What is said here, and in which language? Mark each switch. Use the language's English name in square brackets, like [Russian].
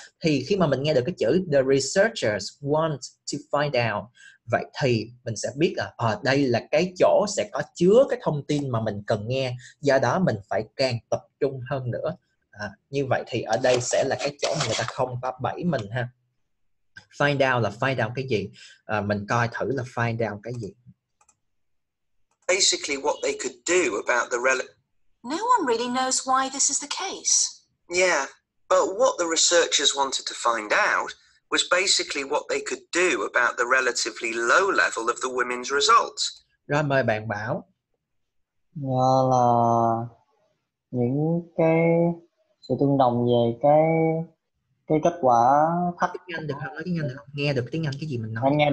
[Vietnamese] Thì khi mà mình nghe được cái chữ [English] the researchers want to find out, [Vietnamese] vậy thì mình sẽ biết là đây là cái chỗ sẽ có chứa cái thông tin mà mình cần nghe, do đó mình phải càng tập trung hơn nữa. Như vậy thì ở đây sẽ là cái chỗ mà người ta không có bẫy mình ha. Find out là find out cái gì? Mình coi thử là find out cái gì. [English] Basically what they could do about the No one really knows why this is the case. Yeah, but what the researchers wanted to find out was basically what they could do about the relatively low level of the women's results. [Vietnamese] Rồi, mời bạn Bảo. Là những cái sự tương đồng về cái kết quả thấp. Tiếng Anh được không? Nói tiếng Anh được không? Nghe được tiếng Anh cái gì mình nói?